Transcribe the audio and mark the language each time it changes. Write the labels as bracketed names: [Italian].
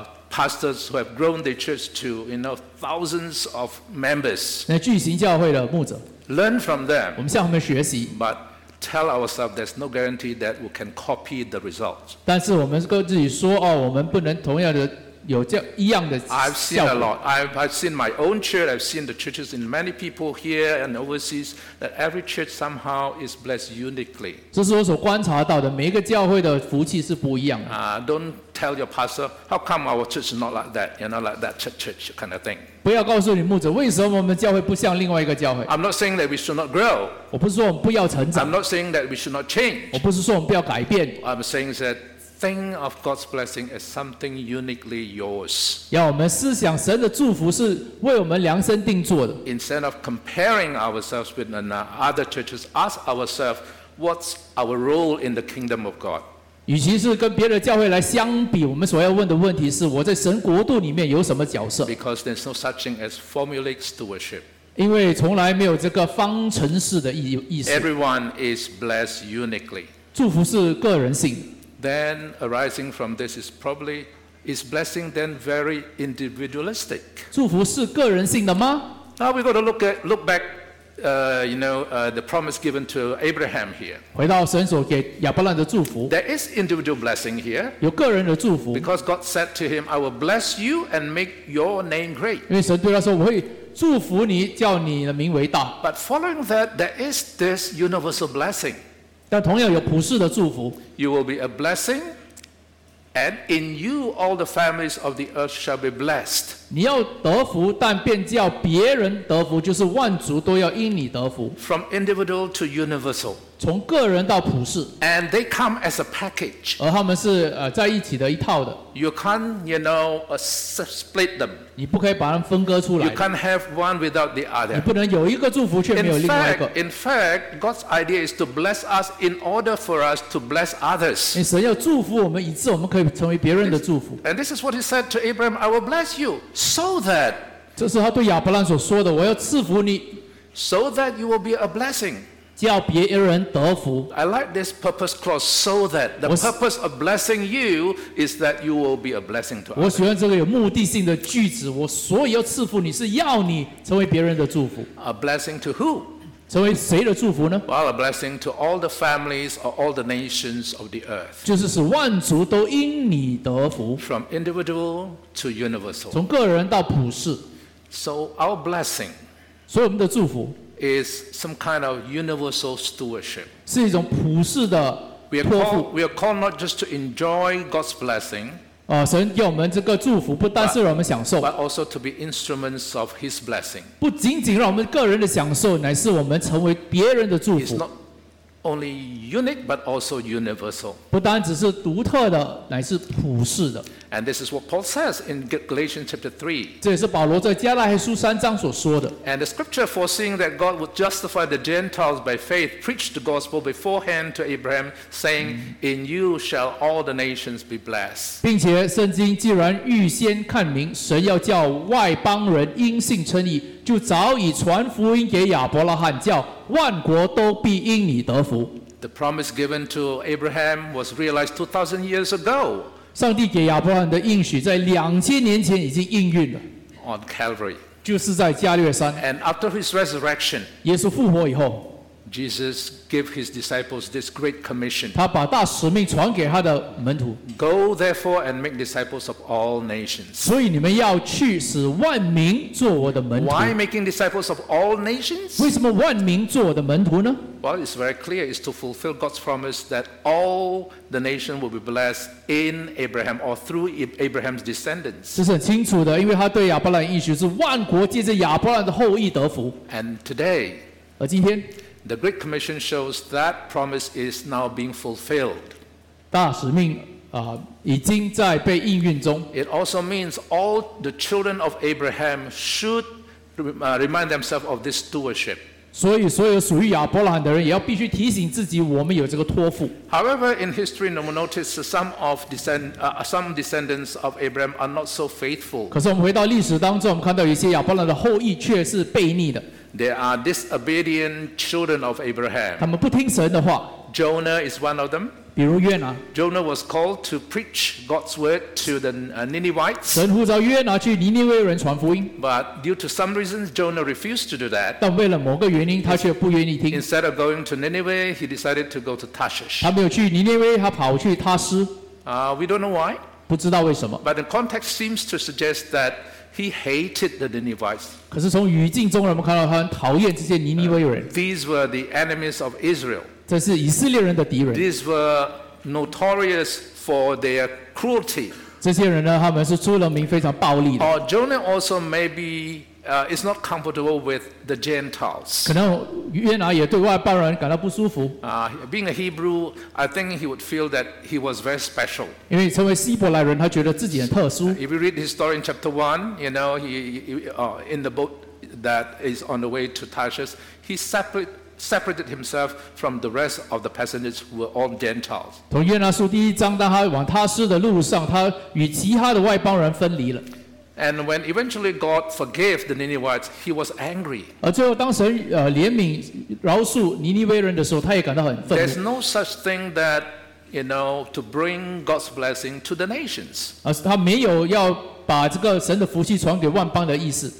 [English] Pastors who have grown their church to, you know, thousands of members. [Chinese] 那巨型教会的牧者。 [English] Learn from them. [Chinese] 我们向他们学习。 [English] But tell ourselves there's no guarantee that we can copy the results. [Chinese] 但是我们跟自己说哦，我们不能同样的。有这一样的效果。 [English] I've seen a lot. I've seen my own church. I've seen the churches in many people here and overseas. That every church somehow is blessed uniquely. [Chinese] 这是我所观察到的，每一个教会的福气是不一样的。 [English] Don't tell your pastor how come our church is not like that. You know, like that church kind of thing. [Chinese] 不要告诉你牧者为什么我们教会不像另外一个教会。 [English] I'm not saying that we should not grow. [Chinese] 我不是说我们不要成长。 [English] I'm not saying that we should not change. [Chinese] 我不是说我们不要改变。 [English] I'm saying that. Think of God's blessing as something uniquely yours. [Chinese] 要我们思想神的祝福是为我们量身定做的。 [English] Instead of comparing ourselves with other churches, ask ourselves, what's our role in the kingdom of God? [Chinese] 与其是跟别的教会来相比，我们所要问的问题是我在神国度里面有什么角色？ [English] Because there's no such thing as formulaic stewardship. [Chinese] 因为从来没有这个方程式的意思。 [English] Everyone is blessed uniquely. [Chinese] 祝福是个人性的。 [English] Then arising from this is probably is blessing then very individualistic. [Chinese] 祝福是个人性的吗？ [English] Now we got to look back, the promise given to Abraham here. [Chinese] 回到神所给亚伯兰的祝福。 [English] There is individual blessing here. [Chinese] 有个人的祝福。 [English] Because God said to him, "I will bless you and make your name great." [Chinese] 因为神对他说，我会祝福你，叫你的名为大。 [English] But following that, there is this universal blessing. [Chinese] 但同样有普世的祝福。 [English] You will be a blessing, and in you all the families of the earth shall be blessed. [Chinese] 你要得福，但便叫别人得福，就是万族都要因你得福。 [English] From individual to universal. [Chinese] 从个人到普世。 [English] And they come as a package. [Chinese] 而他们是在一起的一套的。 [English] You can't, you know, split them. [Chinese] 你不可以把它们分割出来。 [English] You can't have one without the other. [Chinese] 你不能有一个祝福却没有另外一个。 [English] In fact, God's idea is to bless us in order for us to bless others. [Chinese] 神要祝福我们，以致我们可以成为别人的祝福。 [English] And this is what He said to Abraham: I will bless you, so that [Chinese] 这是他对亚伯兰所说的，我要赐福你。 [English] So that you will be a blessing. [Chinese] 叫别人得福。 [English] I like this purpose clause. So that the purpose of blessing you is that you will be a blessing to others. [Chinese] 我喜欢这个有目的性的句子。我所以要赐福你是要你成为别人的祝福。 [English] A blessing to who? [Chinese] 成为谁的祝福呢？ [English] Well, a blessing to all the families or all the nations of the earth. [Chinese] 就是使万族都因你得福。 [English] From individual to universal. [Chinese] 从个人到普世。 [English] So our blessing. [Chinese] 所以我们的祝福 [English] is some kind of universal stewardship. [Chinese] 是一种普世的托付。 [English] We are called not just to enjoy God's blessing. [Chinese] 神给我们这个祝福，不单是让我们享受， [English] but also to be instruments of His blessing. [Chinese] 不仅仅让我们个人的享受，乃是我们成为别人的祝福。 [English] It's not only unique, but also universal. [Chinese] 不单只是独特的，乃是普世的。 [English] And this is what Paul says in Galatians chapter 3. [Chinese] 这也是保罗在加拉太书三章所说的。 [English] And the scripture foreseeing that God would justify the Gentiles by faith preached the gospel beforehand to Abraham, saying, In you shall all the nations be blessed. [Chinese] 并且圣经既然预先看明，神要叫外邦人因信称义，就早已传福音给亚伯拉罕，叫万国都必因你得福。 [English] The promise given to Abraham was realized 2,000 years ago. [Chinese] 上帝给亚伯兰的应许在2000年前已经应运了。 [English] On Calvary. [Chinese] 就是在加略山。 [English] And after his resurrection, [Chinese] 耶稣复活以后， [English] Jesus gave his disciples this great commission. [Chinese] 他把大使命传给他的门徒。 [English] Go therefore and make disciples of all nations. [Chinese] 所以你们要去使万民做我的门徒。 [English] Why making disciples of all nations? [Chinese] 为什么万民做我的门徒呢？ [English] Well, it's very clear. It's to fulfill God's promise that all the nation will be blessed. In Abraham or through Abraham's descendants. [Chinese] 这是很清楚的，因为他对亚伯兰应许是万国借着亚伯兰的后裔得福。 [English] And today, [Chinese] 而今天 [English] ，The Great Commission shows that promise is now being fulfilled. [Chinese] 大使命已经在被应运中。 [English] It also means all the children of Abraham should remind themselves of this stewardship. [Chinese] 所以所有属于亚伯拉罕的人也要必须提醒自己，我们有这个托付。 [English] However, in history, no one noticed some descendants of Abraham are not so faithful. [Chinese] 可是我们回到历史当中，我们看到一些亚伯拉罕的后裔却是悖逆的。 [English] They are disobedient children of Abraham. [Chinese] 他们不听神的话。 [English] Jonah is one of them. [Chinese] 比如约拿。 [English] Jonah was called to preach God's word to the Ninevites. [Chinese] 神呼召约拿去尼尼微人传福音。 [English] But due to some reasons, Jonah refused to do that. [Chinese] 但为了某个原因，他却不愿意听。 [English] Instead of going to Nineveh, he decided to go to Tarshish. [Chinese] 他没有去尼尼微，他跑去他斯。 [English] We don't know why. [Chinese] 不知道为什么。 [English] But the context seems to suggest that. He hated the Ninevites. [Chinese] 可是从语境中，我们看到他很讨厌这些尼尼微人。 [English] These were the enemies of Israel. [Chinese] 这是以色列人的敌人。 [English] These were notorious for their cruelty. [Chinese] 这些人呢，他们是出了名非常暴力的。 [English] Or Jonah also maybe is not comfortable with the Gentiles. [Chinese] 可能约拿也对外邦人感到不舒服。 [English] Being a Hebrew, I think he would feel that he was very special. [Chinese] 因为成为希伯来人，他觉得自己很特殊。 [English] If you read his story in chapter 1, you know, in the boat that is on the way to Tarshish, he separated himself from the rest of the passengers who were all Gentiles. [Chinese] 从约拿书第一章，当他往他斯的路上，他与其他的外邦人分离了。 [English] And when eventually God forgave the Ninevites, he was angry. [Chinese] 而最后当神怜悯饶恕尼尼微人的时候，他也感到很愤怒。 [English] There's no such thing that, you know, to bring God's blessing to the nations. [Chinese] 而他没有要把这个神的福气传给万邦的意思。